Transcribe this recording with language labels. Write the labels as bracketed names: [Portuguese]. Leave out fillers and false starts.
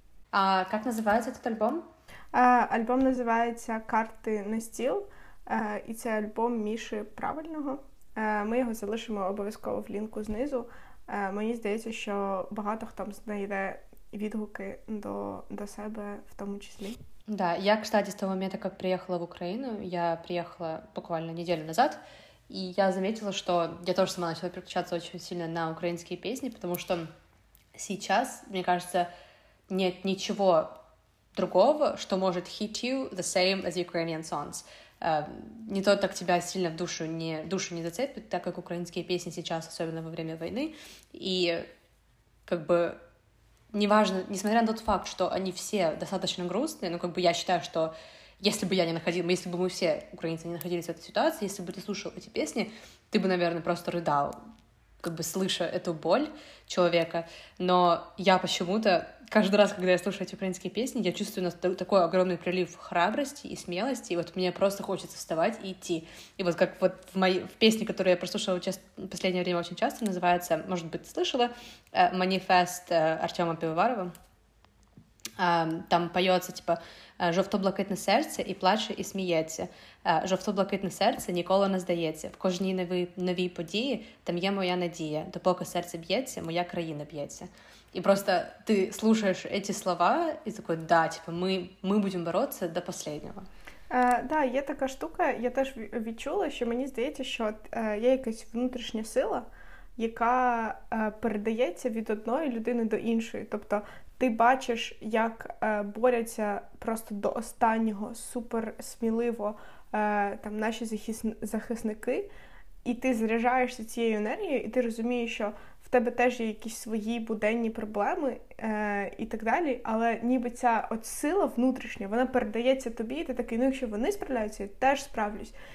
[Ukrainian] А як називається цей альбом? Альбом називається «Карти на стіл», і це альбом Міші Правильного. Ми його залишимо обов'язково в лінку знизу. Мені здається, що багато хто знайде відгуки до себе в тому числі. Да, я, кстати, з того моменту, як приїхала в Україну, я приїхала буквально неділю назад, і я заметила, що я теж сама почала переключатися дуже сильно на українські пісні, тому що зараз, мені кажеться, нет нічого другого, що може [English] hit you the same as Ukrainian songs. [Russian] Не то так тебя сильно в душу не зацепит, так как украинские песни сейчас, особенно во время войны. И как бы неважно, несмотря на тот факт, что они все достаточно грустные, но как бы я считаю, что если бы мы все украинцы не находились в этой ситуации, если бы ты слушал эти песни, ты бы, наверное, просто рыдал, как бы слыша эту боль человека. Но я почему-то, каждый раз, когда я слушаю эти украинские песни, я чувствую такой огромный прилив храбрости и смелости, и вот мне просто хочется вставать и идти. И вот как вот в песне, которую я прослушала в последнее время очень часто, называется, может быть, слышала, «Манифест» Артёма Пивоварова. Там поется типа [Ukrainian] «Жовто блакитне серце і плаче, і сміється. Жовто блакитне серце ніколи не здається. В кожній новій події там є моя надія. Допоки серце б'ється, моя країна б'ється». [Russian] И просто ты слушаешь эти слова и такой, да, типа, мы будем бороться до последнего. [Ukrainian] Да, є така штука, я теж відчула, що мені здається, що є якась внутрішня сила, яка передається від одної людини до іншої. Тобто ти бачиш, як борються просто до останнього суперсміливо там наші захисники, і ти заряджаєшся цією енергією, і ти розумієш, що в тебе теж є якісь свої буденні проблеми і так далі, але ніби ця от сила внутрішня, вона передається тобі, і ти такий, ну якщо вони справляються, я теж справлюсь.